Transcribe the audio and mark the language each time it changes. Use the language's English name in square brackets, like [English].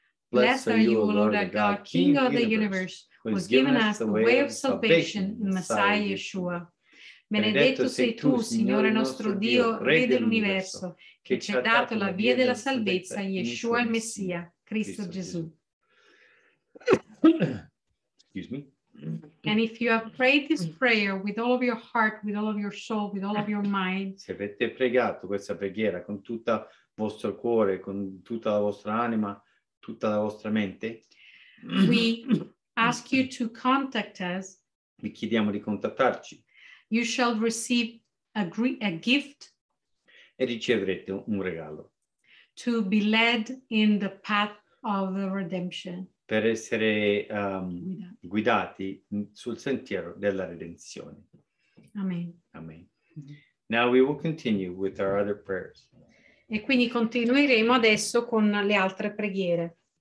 [English] Blessed are you, O Lord, our God, King of the universe, who has given us the way of salvation in Messiah Yeshua. [Italian] Benedetto sei tu, Signore nostro Dio, Re dell'universo, che ci ha dato la via della salvezza in Yeshua il Messia, Cristo Gesù. [English] Excuse me. And if you have prayed this prayer with all of your heart, with all of your soul, with all of your mind, [Italian] se avete pregato questa preghiera con tutto il vostro cuore, con tutta la vostra anima, tutta la vostra mente, [English] we ask you to contact us. [Italian] Vi chiediamo di contattarci. [English] You shall receive a gift. [Italian] E riceverete un regalo. [English] To be led in the path of the redemption. [Italian] Per essere guidati sul sentiero della redenzione. [English] Amen. [Italian] Amen. [English] Now we will continue with our other prayers. [Italian] E quindi continueremo adesso con le altre preghiere.